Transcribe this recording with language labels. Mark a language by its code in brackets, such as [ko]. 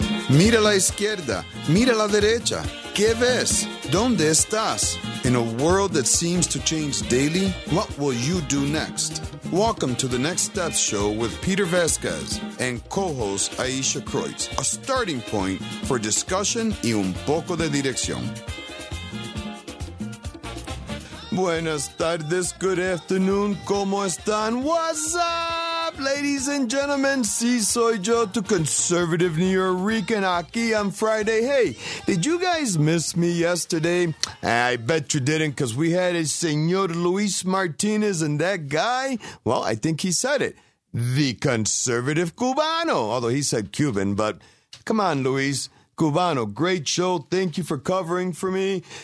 [es] Mira a la izquierda, mira a la derecha. ¿Qué ves? ¿Dónde estás? [en] In a world that seems to change daily, what will you do next? Welcome to the Next Steps Show with Peter Vasquez and co-host Aisha Kreutz, a starting point for discussion [es] y un poco de dirección. Buenas tardes, [en] good afternoon, [es] ¿cómo están? [en] What's up, ladies and gentlemen? [es] Sí, soy yo, tu [en] conservative New Yorker, [es] aquí [en] on Friday. Hey, did you guys miss me yesterday? I bet you didn't, because we had a Señor Luis Martinez, and that guy, well, I think he said it, the conservative Cubano, although he said Cuban, but come on, Luis, Cubano, great show, thank you for covering for me.